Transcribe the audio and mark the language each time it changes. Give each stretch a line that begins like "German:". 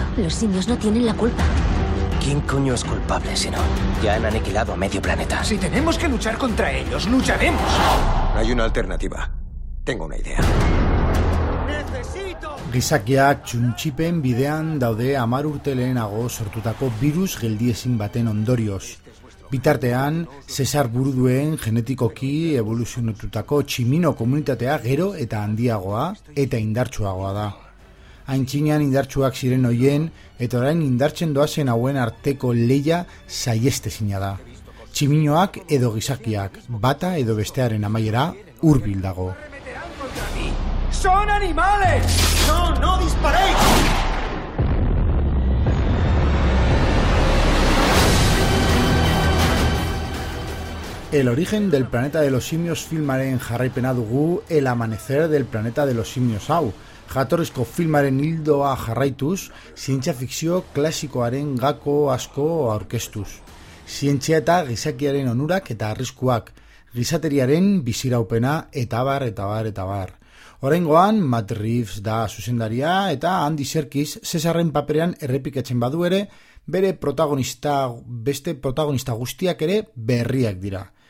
Spanish: Simios no tienen la culpa. ¿Quién coño es culpable si no? Ya han aniquilado a medio planeta. Si tenemos que luchar contra ellos, lucharemos. Hay una alternativa. Tengo una idea. ¡Necesito!
Basque: Gizakiak txuntxipen bidean daude 10 urte lehenago sortutako virus geldiezin baten ondorioz. Bitartean, Cesar Buruduen genetikoki evoluzionatutako tximino komunitatea gero eta handiagoa eta indartsuagoa da. Aintzinean indartsuak ziren hoien, eta orain indartzen doazen hauen arteko leia saiestezina da. Tximinoak edo gizakiak, bata edo bestearen amaiera hurbil dago.
Spanish: Son animales! No, no disparéis!
Basque: El origen del planeta de los simios filmaren jarraipena dugu El amanecer del planeta de los simios hau. Jatorrizko filmaren hildoa jarraituz, zientzia fikzio klasikoaren gako asko aurkeztuz. Zientzia eta gizakiaren onurak eta arriskuak, gizateriaren biziraupena eta bar. Oraingoan Matt Reeves da zuzendaria eta Andy Serkis Cesarren paperean errepikatzen badu ere, bere protagonista beste protagonista guztiak ere berriak dira.